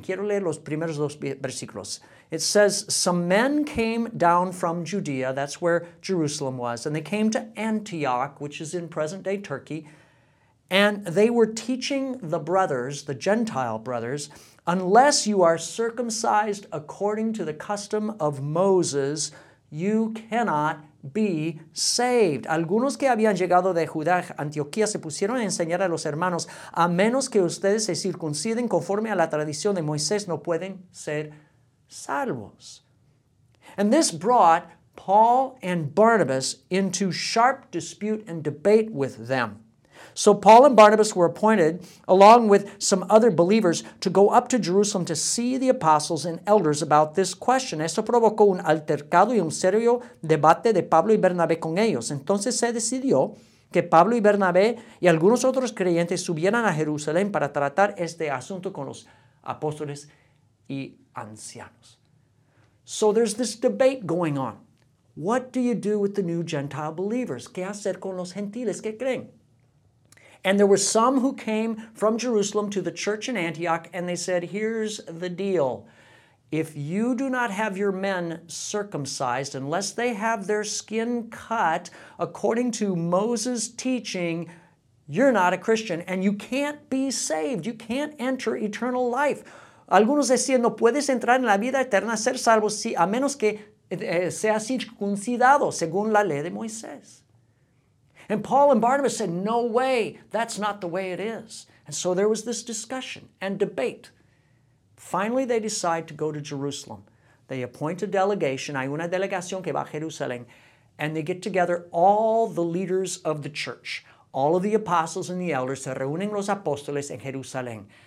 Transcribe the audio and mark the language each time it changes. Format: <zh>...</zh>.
<es>Quiero leer los primeros dos versículos.</es> <en>It says, some men came down from Judea, that's where Jerusalem was, and they came to Antioch, which is in present-day Turkey, and they were teaching the brothers, the Gentile brothers, unless you are circumcised according to the custom of Moses, you cannot be saved.</en> <es>Algunos que habían llegado de Judá a Antioquía se pusieron a enseñar a los hermanos, a menos que ustedes se circunciden conforme a la tradición de Moisés, no pueden ser salvos.</es> <en>And this brought Paul and Barnabas into sharp dispute and debate with them. So Paul and Barnabas were appointed, along with some other believers, to go up to Jerusalem to see the apostles and elders about this question.</en> <es>Esto provocó un altercado y un serio debate de Pablo y Bernabé con ellos. Entonces se decidió que Pablo y Bernabé y algunos otros creyentes subieran a Jerusalén para tratar este asunto con los apóstoles y ancianos.</es> <en>So there's this debate going on. What do you do with the new Gentile believers?</en> <es>¿Qué hacer con los gentiles que creen?</es> <en>And there were some who came from Jerusalem to the church in Antioch, and they said, here's the deal. If you do not have your men circumcised, unless they have their skin cut according to Moses' teaching, you're not a Christian, and you can't be saved. You can't enter eternal life.</en> <es>Algunos decían, no puedes entrar en la vida eterna, ser salvo, si, a menos que sea circuncidado según la ley de Moisés.</es> <en>And Paul and Barnabas said, no way, that's not the way it is. And so there was this discussion and debate. Finally, they decide to go to Jerusalem. They appoint a delegation,</en> <es>hay una delegación que va a Jerusalén,</es> <en>and they get together all the leaders of the church, all of the apostles and the elders,</en> <es>se reúnen los apóstoles en Jerusalén.</es>